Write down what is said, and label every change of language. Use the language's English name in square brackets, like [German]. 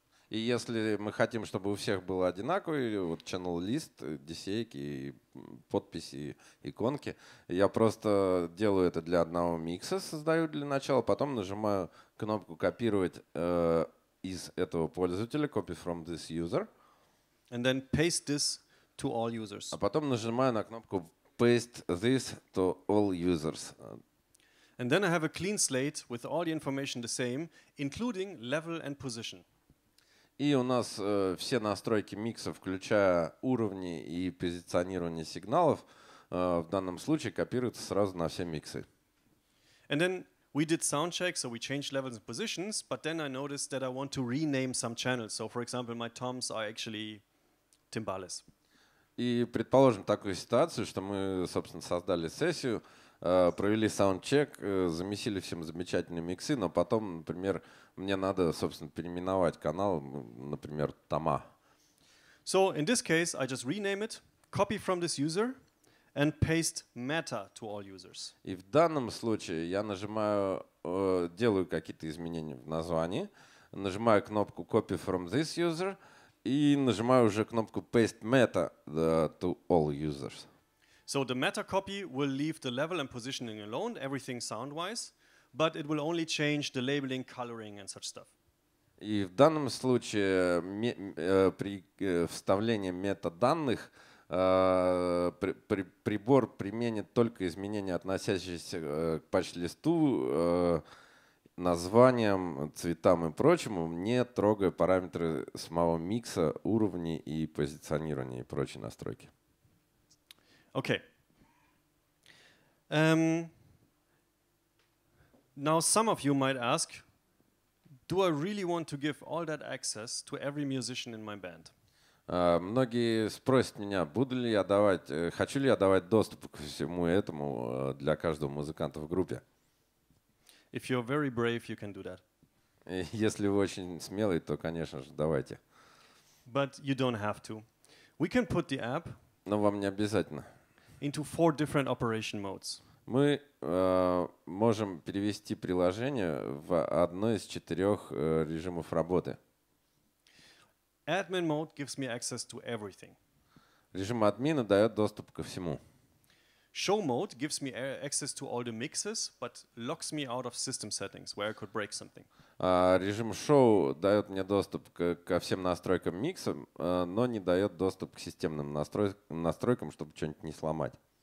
[Russian] И если мы хотим, чтобы у всех было одинаковый вот channel list, DCA-ки, подписи, иконки, я просто делаю это для одного микса, создаю для начала, потом нажимаю кнопку копировать из этого пользователя, [English] copy from this user. And then paste this to all users. [Russian] А потом нажимаю на кнопку [English] paste this to all users. And then I have a clean slate with all the information the same, including level and position. [Russian] И у нас все настройки микса, включая уровни и позиционирование сигналов, в данном случае копируются сразу на все миксы. [English] And then we did sound check, so we changed levels and positions, but then I noticed that I want to rename some channels. So, for example, my toms are actually timbales. [Russian] И предположим такую ситуацию, что мы, собственно, создали сессию, провели саундчек, замесили всем замечательные миксы, но потом, например, мне надо, собственно, переименовать канал, например, Тома. [English] So in this case, I just rename it, copy from this user, and paste meta to all users. [Russian] И в данном случае я нажимаю, делаю какие-то изменения в названии, нажимаю кнопку [English] copy from this user [Russian] и нажимаю уже кнопку [English] paste meta to all users. So the meta copy will leave the level and positioning alone, everything sound-wise, but it will only change the labeling, coloring, and such stuff. [Russian] И в данном случае при вставлении метаданных прибор применит только изменения, относящиеся к патч-листу, названиям, цветам и прочему, не трогая параметры самого микса, уровни и позиционирования и прочие настройки. [English] Okay. Now some of you might ask, do I really want to give all that access to every musician in my band? [Russian] Многие спросят меня, буду ли я давать, хочу ли я давать доступ к всему этому для каждого музыканта в группе? [English] If you're very brave, you can do that. [Russian] Если вы очень смелый, то, конечно же, давайте. [English] But you don't have to. We can put the app. [Russian] Но вам не обязательно. [English] Into four different operation modes. [Russian] Мы можем перевести приложение в одно из четырех режимов работы. [English] Admin mode gives me access to everything. [Russian] Режим админа дает доступ ко всему. [English] Show mode gives me access to all the mixes, but locks me out of system settings where I could break something. [Russian] Режим show дает мне доступ ко всем настройкам микса, но не дает доступ к системным настройкам, чтобы что-нибудь не сломать.